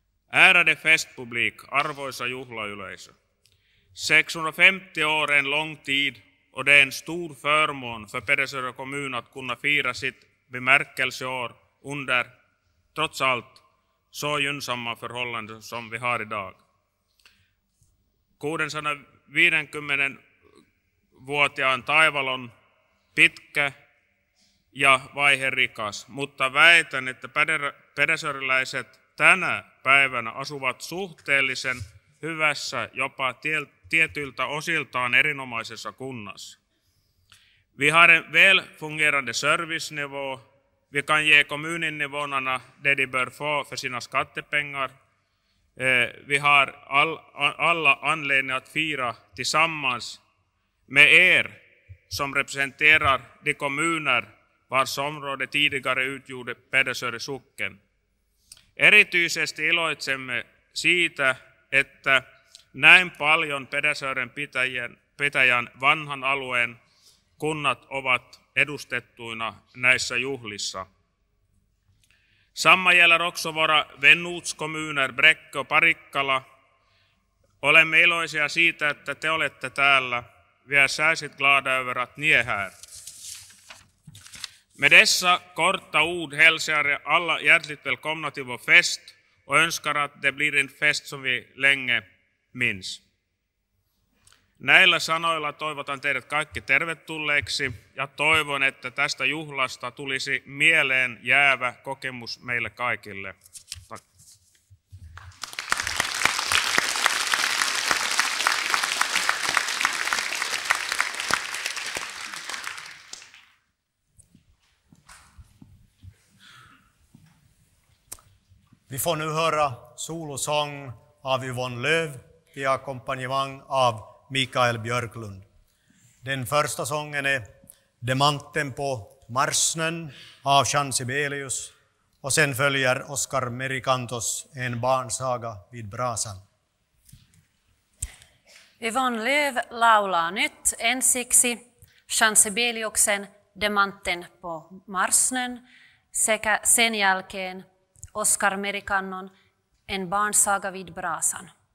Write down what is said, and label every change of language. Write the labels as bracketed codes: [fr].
[sv] Ärade festpublik, [fi] arvoisa juhlayleisö. [sv] 650 år är en lång tid och det är en stor förmån för Pedersöre kommun att kunna fira sitt bemärkelseår under, trots allt, så gynnsamma förhållanden som vi har idag. [fi] 650-vuotiaan taival on pitkä ja vaiherikas, mutta väitän, että pedersöriläiset tänä päivänä asuvat suhteellisen hyvässä, jopa tietyiltä osiltaan erinomaisessa kunnassa. [sv] Vi har en väl fungerande servicenivå. Vi kan ge kommuninivånarna det de bör få för sina skattepengar. Vi har alla anledning att fira tillsammans med er som representerar de kommuner vars område tidigare utgjorde Pedersöri socken. [fi] Erityisesti iloitsemme siitä, että näin paljon Pedersören pitäjän vanhan alueen kunnat ovat edustettuina näissä juhlissa. [sv] Samma gäller också våra vänortskommuner Bräcke och Parikkala. [fi] Olemme iloisia siitä, että te olette täällä. [sv] Vi är särskilt glada över att ni är här. Med dessa korta ord hälsar jag alla hjärtligt välkomna till vår fest och önskar att det blir en fest som vi länge minns. [fi] Näillä sanoilla toivotan teidät kaikki tervetulleeksi ja toivon, että tästä juhlasta tulisi mieleen jäävä kokemus meille kaikille. [sv] Vi får nu höra solosång av Yvonne Löv via ackompanjemang av Mikael Björklund. Den första sången är Demanten på marssnön av Jean Sibelius och sen följer Oscar Merikantos En barnsaga vid brasan. [fi] Yvonne Löv laulaa nyt ensiksi Jean Sibeliuksen Demanten på marssnön sekä sen jälkeen Oscar Merikannon En barnsaga vid brasan.